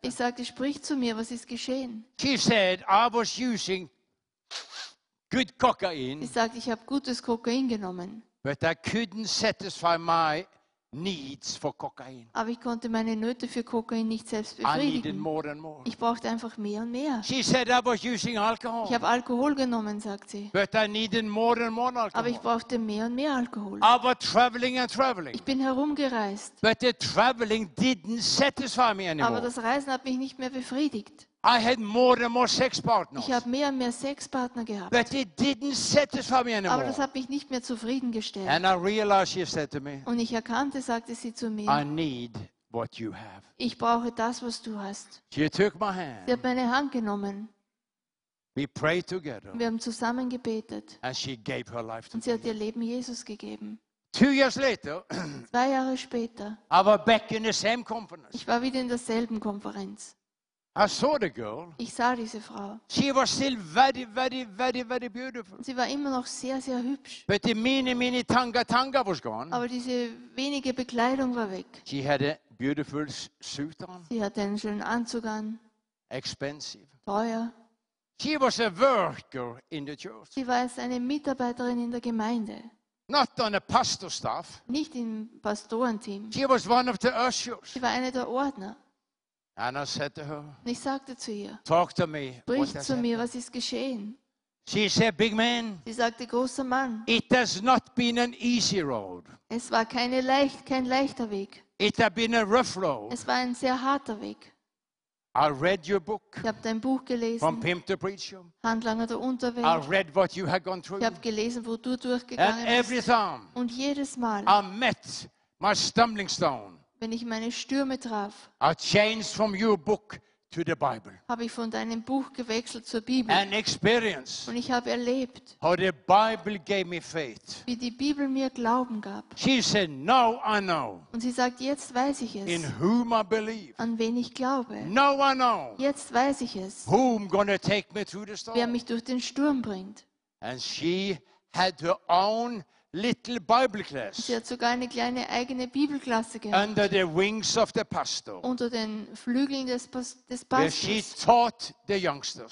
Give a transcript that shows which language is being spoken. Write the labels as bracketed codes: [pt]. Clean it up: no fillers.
[de] Ich sagte, sprich zu mir, was ist geschehen? [en] She said, I was using good cocaine. [de] Sie sagte, ich habe gutes Kokain genommen. [en] But I couldn't satisfy my needs for cocaine. [de] Aber ich konnte meine Nöte für Kokain nicht selbst befriedigen. [en] I needed more and more. [de] Ich brauchte einfach mehr und mehr. [en] She said I was using alcohol. [de] Ich habe Alkohol genommen, sagt sie. [en] But I needed more and more alcohol. [de] Aber ich brauchte mehr und mehr Alkohol. [en] I was traveling and traveling. [de] Ich bin herumgereist. [en] But the traveling didn't satisfy me anymore. [de] Aber das Reisen hat mich nicht mehr befriedigt. [en] I had more and more sex partners. [de] Ich habe mehr und mehr Sexpartner gehabt. [en] But it didn't satisfy me anymore. [de] Aber das hat mich nicht mehr zufriedengestellt. [en] And I realized, she said to me, [de] und ich erkannte, sagte sie zu mir, [en] I need what you have. [de] Ich brauche das, was du hast. [en] She took my hand. [de] Sie hat meine Hand genommen. [en] We prayed together. [de] Wir haben zusammen gebetet. [en] And she gave her life to [de] und sie hat ihr Leben Jesus gegeben. [en] 2 years later, [de] 2 Jahre später, [en] I was back in the same conference. [de] Ich war wieder in derselben Konferenz. [en] I saw the girl. [de] Ich sah diese Frau. [en] She was still very, very, very, very beautiful. [de] Sie war immer noch sehr, sehr hübsch. [en] But the mini tanga was gone. [de] Aber diese wenige Bekleidung war weg. [en] She had a beautiful suit on. [de] Sie hatte einen schönen Anzug an. [en] Expensive. [de] Teuer. [en] She was a worker in the church. [de] Sie war eine Mitarbeiterin in der Gemeinde. [en] Not on a pastor staff. [de] Nicht im Pastorenteam. [en] She was one of the ushers. [de] Sie war eine der Ordner. [en] And I said to her, [de] und ich sagte zu ihr, [en] talk to me, [de] sprich zu mir, was ist geschehen? [en] She said, big man, [de] sie sagte, großer Mann, [en] it has not been an easy road. [de] Es war kein leichter Weg. [en] It had been a rough road. [de] Es war ein sehr harter Weg. [en] I read your book. [de] Ich habe dein Buch gelesen. [en] From Pimp to Preacher. [de] Handlanger der Unterwelt. [en] I read what you had gone through. [de] Ich habe gelesen, wo du durchgegangen bist. [en] Every time [de] und jedes Mal. [en] I met my stumbling stone. [de] Wenn ich meine Stürme traf. [en] I changed from your book to the Bible. [de] Habe ich von deinem Buch gewechselt zur Bibel. [en] And experience. [de] Und ich habe erlebt. [en] How the Bible gave me faith. [de] Wie die Bibel mir Glauben gab. [en] She said, now I know. [de] Und sie sagt, jetzt weiß ich es. [en] In whom I believe. [de] An wen ich glaube. [en] Now I know. [de] Jetzt weiß ich es. [en] Whom gonna take me through the storm. [de] Wer mich durch den Sturm bringt. [en] And she had her own little Bible class. [de] Sie hat sogar eine kleine eigene Bibelklasse gemacht. [en] Under the wings of the pastor. [de] Unter den Flügeln des Pastors. [en] Where she taught the youngsters.